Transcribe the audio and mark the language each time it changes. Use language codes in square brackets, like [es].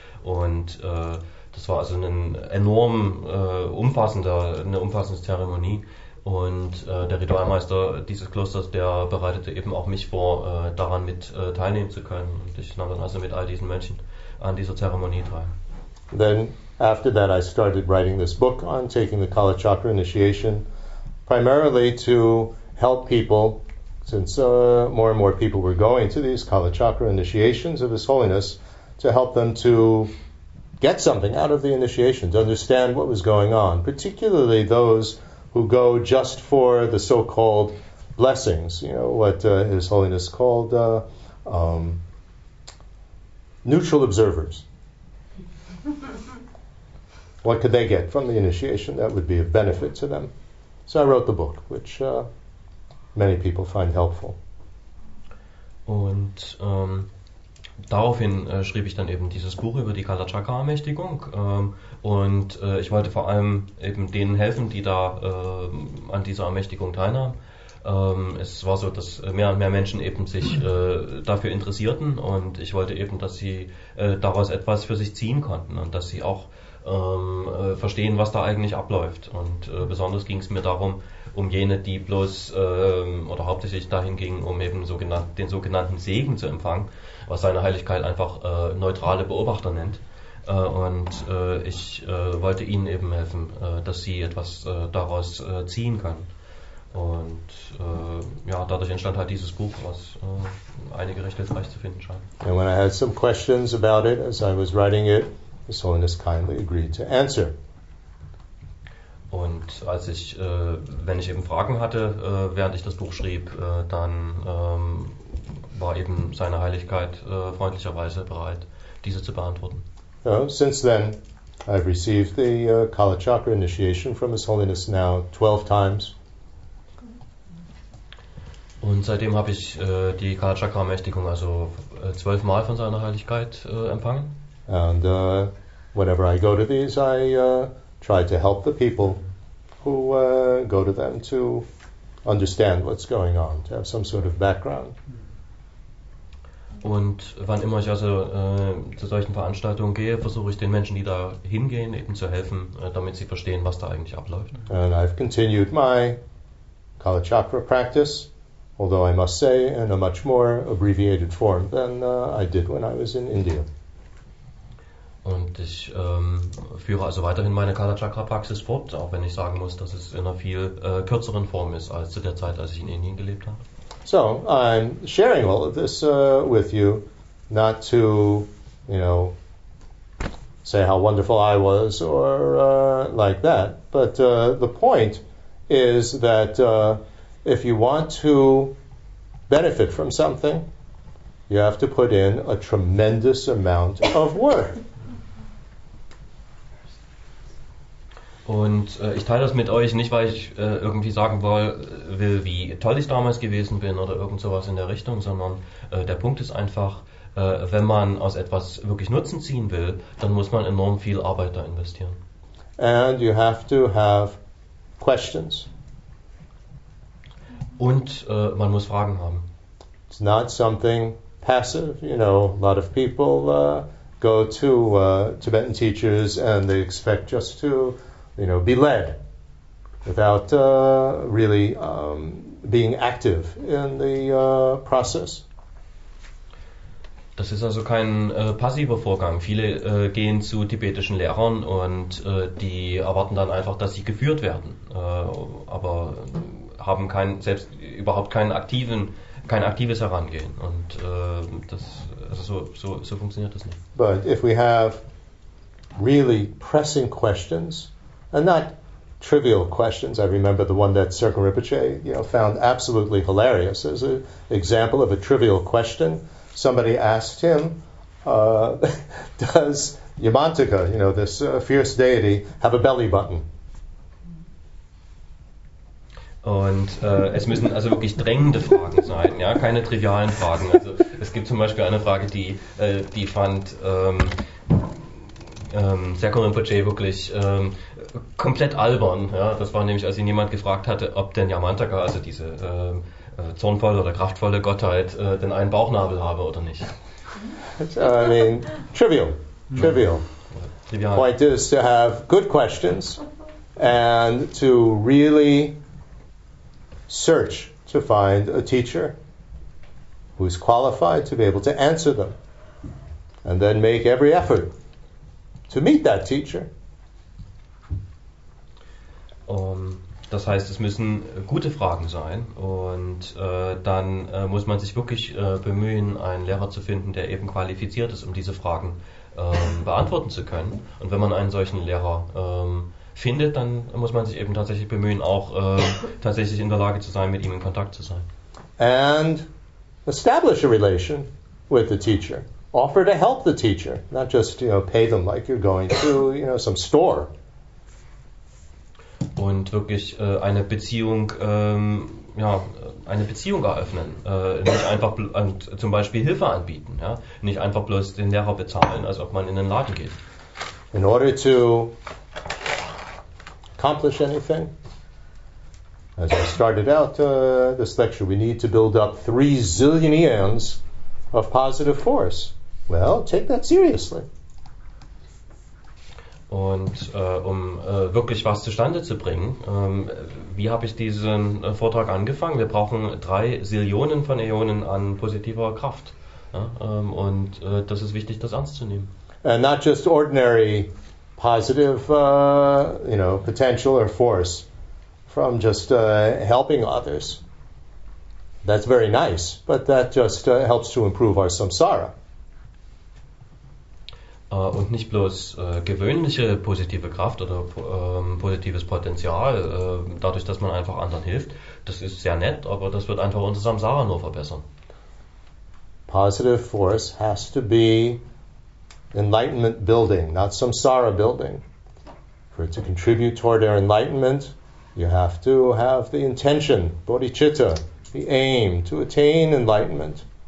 [de] Und das war also eine enorm umfassende Zeremonie. Und der Ritualmeister dieses Klosters, der bereitete eben auch mich vor, daran mit teilnehmen zu können. Und ich nahm dann also mit all diesen Mönchen an dieser Zeremonie teil. [en] Then, after that, I started writing this book on taking the Kalachakra initiation, primarily to help people, since more and more people were going to these Kalachakra initiations of His Holiness, to help them to get something out of the initiation, to understand what was going on, particularly those who go just for the so-called blessings, you know, what His Holiness called neutral observers. What could they get from the initiation that would be of benefit to them? So I wrote the book, which many people find helpful. [de] Und daraufhin schrieb ich dann eben dieses Buch über die Kalachakra-Ermächtigung. Und ich wollte vor allem eben denen helfen, die da an dieser Ermächtigung teilnahmen. Es war so, dass mehr und mehr Menschen eben sich dafür interessierten und ich wollte eben, dass sie daraus etwas für sich ziehen konnten und dass sie auch verstehen, was da eigentlich abläuft. Und besonders ging es mir darum, um jene, die bloß oder hauptsächlich dahin gingen, um eben den sogenannten Segen zu empfangen, was seine Heiligkeit einfach neutrale Beobachter nennt. Und ich wollte ihnen eben helfen, dass sie etwas daraus ziehen können. Und ja, dadurch entstand halt dieses Buch, was einige recht hilfreich zu finden scheint. [en] And when I had some questions about it as I was writing it, His Holiness kindly agreed to answer. [de] Und als ich, wenn ich eben Fragen hatte, während ich das Buch schrieb, dann war eben seine Heiligkeit freundlicherweise bereit, diese zu beantworten. [en] So, since then, I've received the Kalachakra initiation from His Holiness now 12 times. [de] Und seitdem habe ich die Kalachakra-Ermächtigung also 12 Mal von seiner Heiligkeit empfangen. [en] And whenever I go to these, I try to help the people who go to them to understand what's going on, to have some sort of background. [de] Und wann immer ich also zu solchen Veranstaltungen gehe, versuche ich den Menschen, die da hingehen, eben zu helfen, damit sie verstehen, was da eigentlich abläuft. [en] And I've continued my Kalachakra practice, although I must say, in a much more abbreviated form than I did when I was in India. [de] Und ich führe also weiterhin meine Kalachakra-Praxis fort, auch wenn ich sagen muss, dass es in einer viel kürzeren Form ist als zu der Zeit, als ich in Indien gelebt habe. [en] So, I'm sharing all of this with you, not to, you know, say how wonderful I was or like that. But the point is that if you want to benefit from something, you have to put in a tremendous amount of work. [de] Und ich teile das mit euch nicht, weil ich irgendwie sagen will, wie toll ich damals gewesen bin oder irgend sowas in der Richtung, sondern der Punkt ist einfach, wenn man aus etwas wirklich Nutzen ziehen will, dann muss man enorm viel Arbeit da investieren. [en] And you have to have questions. [de] Und man muss Fragen haben. [en] It's not something passive. You know, a lot of people go to Tibetan teachers and they expect just to, you know, be led without really being active in the process. [de] Das ist also kein passiver Vorgang. Viele gehen zu tibetischen Lehrern und die erwarten dann einfach, dass sie geführt werden, aber haben kein, selbst überhaupt keinen aktiven, kein aktives Herangehen. Und das, also so funktioniert das nicht. [en] But if we have really pressing questions, and not trivial questions. I remember the one that Sergeant Rinpoche, you know, found absolutely hilarious as an example of a trivial question. Somebody asked him, does Yamantaka, you know, this fierce deity, have a belly button? [de] Und es müssen also wirklich drängende Fragen sein, ja, keine trivialen Fragen. Also es gibt zum Beispiel eine Frage, die fand Sergeant Rinpoche wirklich komplett albern. Ja, das war nämlich, als ihn jemand gefragt hatte, ob denn Yamantaka, also diese zornvolle oder kraftvolle Gottheit, denn einen Bauchnabel habe oder nicht. [en] I mean, trivial. Trivial. The point is to have good questions and to really search to find a teacher who is qualified to be able to answer them and then make every effort to meet that teacher. [de] Das heißt, es müssen gute Fragen sein und dann muss man sich wirklich bemühen, einen Lehrer zu finden, der eben qualifiziert ist, um diese Fragen beantworten zu können. Und wenn man einen solchen Lehrer findet, dann muss man sich eben tatsächlich bemühen, auch tatsächlich in der Lage zu sein, mit ihm in Kontakt zu sein. [en] And establish a relation with the teacher. Offer to help the teacher, not just, you know, pay them like you're going to, you know, some store. [de] Und wirklich eine Beziehung eröffnen, nicht einfach zum Beispiel Hilfe anbieten, ja, nicht einfach bloß den Lehrer bezahlen, als ob man in den Laden geht. [en] In order to accomplish anything, as I started out this lecture, we need to build up 3 zillion eons of positive force. Well, take that seriously. [de] Und wirklich was zustande zu bringen, wie habe ich diesen Vortrag angefangen? Wir brauchen 3 Zillionen von Äonen an positiver Kraft. Ja? Und das ist wichtig, das ernst zu nehmen. [en] And not just ordinary positive, you know, potential or force from just helping others. That's very nice, but that just helps to improve our samsara. [de] Und nicht bloß gewöhnliche positive Kraft oder positives Potenzial, dadurch, dass man einfach anderen hilft. Das ist sehr nett, aber das wird einfach unser Samsara nur verbessern. [en] Positive force has to be enlightenment building, not Samsara building. For it to contribute toward our enlightenment, you have to have the intention, bodhicitta, the aim to attain enlightenment.